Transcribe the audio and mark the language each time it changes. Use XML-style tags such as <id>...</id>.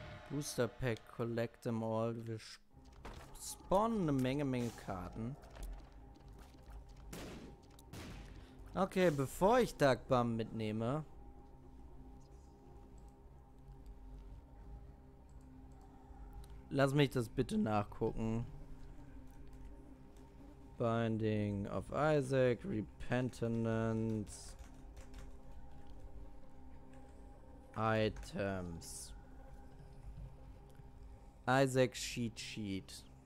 <en>Booster Pack, collect them all.</en> <de>Wir spawnen eine Menge Karten. Okay, bevor ich Dark Bomb mitnehme. Lass mich das bitte nachgucken.</de> <en>Binding of Isaac, Repentance, Items, Isaac Cheat Sheet.</en>